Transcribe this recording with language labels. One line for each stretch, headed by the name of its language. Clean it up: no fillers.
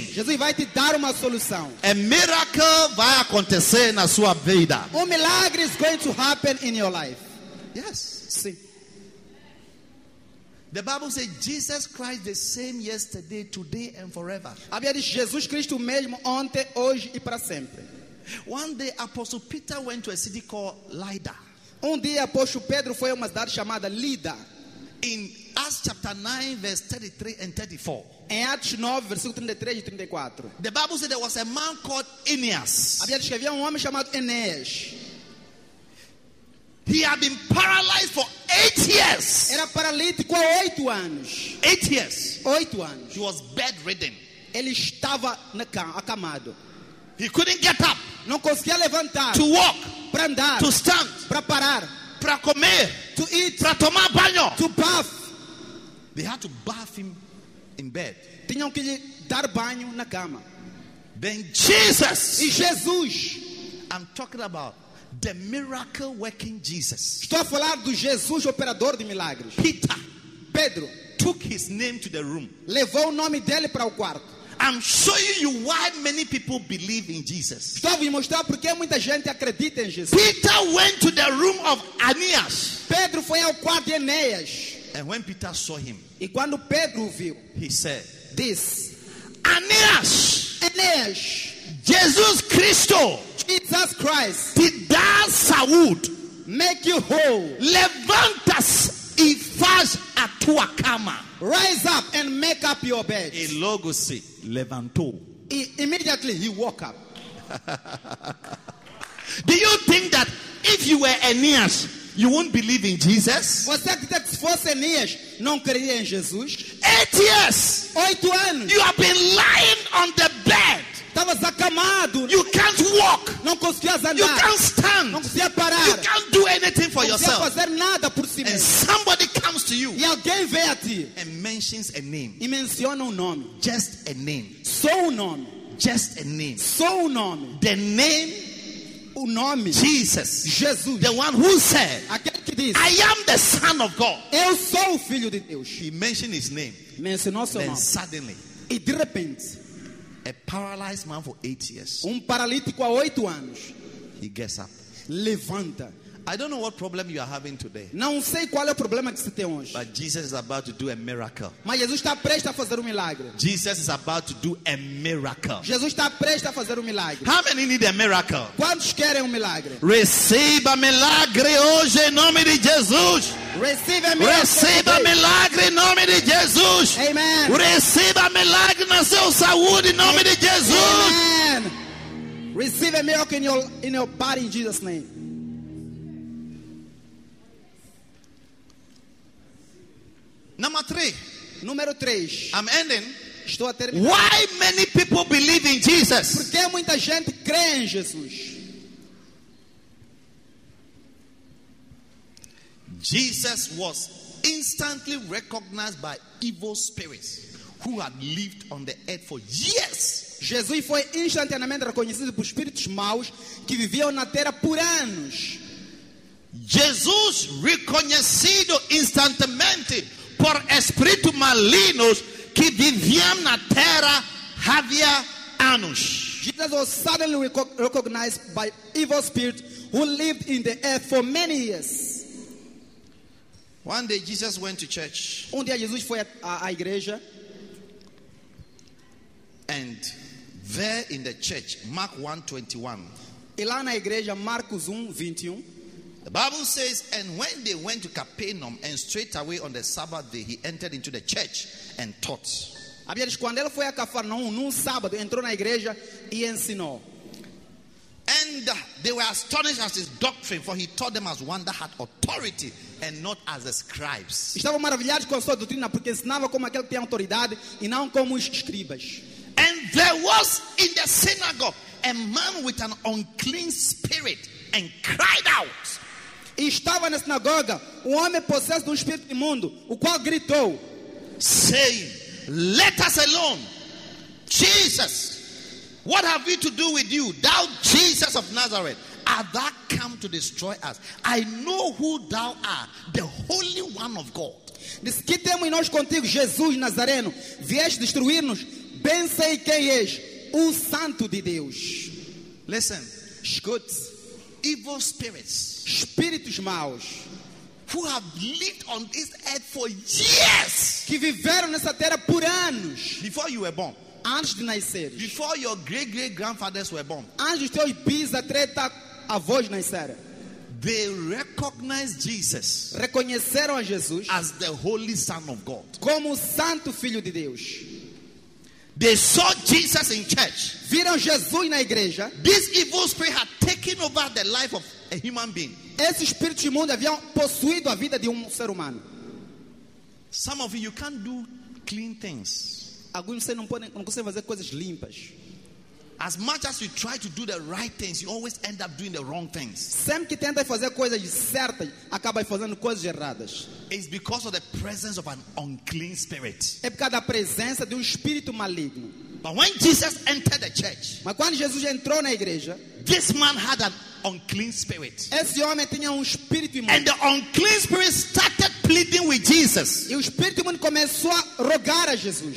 Portuguese: Jesus vai te dar uma solução.
English: A miracle
Portuguese: vai acontecer na sua vida.
English: Milagre is going to happen in your life. Yes.
Portuguese: Sim.
English: The Bible says Jesus Christ the same yesterday, today and forever.
Portuguese: A Bíblia diz Jesus Cristo mesmo ontem, hoje e para sempre.
English: One day Apostle Peter went to a city called Lydda.
Portuguese: Dia Apóstolo Pedro foi a uma cidade chamada Lida.
English: In Acts chapter 9 verse 33 and 34.
Portuguese: Em Atos 9 versículo 33 e 34.
English: The Bible said there was a man called Aeneas.
Portuguese: A Bíblia diz que havia homem chamado Enéas.
English: He had been paralyzed for 8 years.
Portuguese: Era paralítico há 8 anos.
English: 8 years.
Portuguese: 8 anos.
English: He was bedridden.
Portuguese: Ele estava na cama, acamado.
English: He couldn't get up.
Portuguese: Não conseguia levantar.
English: To walk.
Portuguese: Para andar.
English: To stand.
Portuguese: Para parar. Para comer.
English: To eat.
Portuguese: Para tomar banho.
English: To bath. They had to bath him in bed.
Portuguese: Tinham que lhe dar banho na cama.
English: Then Jesus.
Portuguese: E Jesus.
English: I'm talking about the miracle working Jesus.
Portuguese: Estou a falar do Jesus operador de milagres.
English: Peter,
Portuguese: Pedro,
English: took his name to the room.
Portuguese: Levou o nome dele para o quarto.
English: I'm showing you why many people believe in Jesus.
Portuguese: Estou a mostrar porque muita gente acredita em Jesus.
English: Peter went to the room of Aeneas.
Portuguese: Pedro foi ao quarto de Aeneas.
English: And when Peter saw him,
Portuguese: e quando Pedro o viu,
English: he said, "This, Aeneas, Aeneas,
Portuguese: Jesus Cristo."
English: Jesus Christ did that Saud make you whole.
Portuguese: Levantas e faz a tua cama.
English: Rise up and make up your bed.
Portuguese: E logo se levantou.
English: E immediately he woke up. Do you think that if you were Aeneas, you won't believe in Jesus?
Portuguese: Você acredita que se fosse Aeneas, não creria em Jesus?
English: 8 years.
Portuguese: 8 anos.
English: You have been lying on the bed.
Portuguese: Estavas acamado.
English: You can't walk.
Portuguese: Não conseguias andar.
English: You can't stand.
Portuguese: Não conseguias parar.
English: You can't do anything for yourself.
Portuguese: Não conseguias fazer nada por si mesmo.
English: And somebody comes to you.
Portuguese: E alguém vem a ti.
English: And mentions a name.
Portuguese: E menciona nome.
English: Just a name.
Portuguese: Só nome.
English: Just a name.
Portuguese: Só nome.
English: The name.
Portuguese: O nome.
English: Jesus.
Portuguese: Jesus.
English: The one who said.
Portuguese: Aquele que diz.
English: I am the Son of God.
Portuguese: Eu sou o Filho de Deus.
English: He mentioned his name.
Portuguese: Mencionou seu
English: then
Portuguese: nome.
English: Then suddenly.
Portuguese: E de repente.
English: A paralyzed man for 8 years.
Portuguese: Paralítico há 8 anos.
English: He gets up.
Portuguese: Levanta.
English: I don't know what problem you are having today.
Portuguese: Não sei qual é o problema que você tem hoje.
English: But Jesus is about to do a miracle.
Portuguese: Mas Jesus está prestes a fazer milagre.
English: Jesus is about to do a miracle.
Portuguese: Jesus está prestes a fazer milagre.
English: How many need a miracle?
Portuguese: Quantos querem milagre? Receba milagre hoje em nome de Jesus. Receba milagre. Receba milagre em nome de Jesus. Amen. Receba milagre na sua saúde em nome de Jesus. Amen.
English: Receive a miracle in your body in Jesus' name. Number 3.
Portuguese: Número 3.
English: I'm ending.
Portuguese: Estou a terminar.
English: Why many people believe in Jesus?
Portuguese: Porque muita gente crê em Jesus.
English: Jesus was instantly recognized by evil spirits who had lived on the earth for years.
Portuguese: Jesus foi instantaneamente reconhecido por espíritos maus que viviam na terra por anos. Jesus reconhecido instantaneamente por espíritos malignos que viviam na terra havia anos.
English: Jesus was suddenly recognized by evil spirits who lived in the earth for many years. One day Jesus went to church.
Portuguese: Dia Jesus foi à igreja.
English: And there in the church, Mark 1:21.
Portuguese: E lá na igreja, Marcos 1:21.
English: The Bible says, and when they went to Capernaum, and straight away on the Sabbath day, he entered into the church and taught.
Portuguese: A Bíblia diz, quando ele foi a Cafarnaum, num sábado, entrou na igreja e ensinou.
English: And they were astonished at his doctrine, for he taught them as one that had authority and not as the scribes.
Portuguese: Estavam maravilhados com a sua doutrina, porque ensinava como aquele que tem autoridade e não como os escribas.
English: And there was in the synagogue a man with an unclean spirit and cried out.
Portuguese: E estava na sinagoga um homem possesso de um espírito imundo, o qual gritou,
English: saying, "Let us alone, Jesus. What have we to do with you, thou Jesus of Nazareth? Art thou come to destroy us? I know who thou art, the Holy One of God."
Portuguese: Disse, que temos nós contigo, Jesus Nazareno? Vieste destruir-nos? Bem sei quem és, o Santo de Deus.
English: Listen,
Portuguese: escute.
English: Evil spirits,
Portuguese: espíritos maus,
English: who have lived on this earth for years.
Portuguese: Que viveram nessa terra por anos.
English: Before you were born.
Portuguese: Antes de nascer.
English: Before your great great grandfathers were born.
Portuguese: Antes dos teus bisavós nasceram.
English: They recognized Jesus.
Portuguese: Reconheceram a Jesus.
English: As the Holy Son of God.
Portuguese: Como o Santo Filho de Deus.
English: They saw Jesus in church.
Portuguese: Viram Jesus na igreja.
English: This evil spirit had taken over the life of a human being.
Portuguese: Esse espírito imundo havia possuído a vida de ser humano.
English: Some of you can't do clean things.
Portuguese: Alguns vocês não conseguem fazer coisas limpas.
English: As much as you try to do the right things, you always end up doing the wrong things.
Portuguese: Sempre que tenta fazer coisas certas, acaba fazendo coisas erradas.
English: It's because of the presence of an unclean spirit.
Portuguese: É por causa da presença de espírito maligno.
English: But when Jesus entered the church,
Portuguese: mas quando Jesus entrou na igreja,
English: this man had an unclean spirit.
Portuguese: Esse homem tinha espírito imundo.
English: And the unclean spirit started pleading with Jesus.
Portuguese: E espírito imundo começou a rogar a Jesus.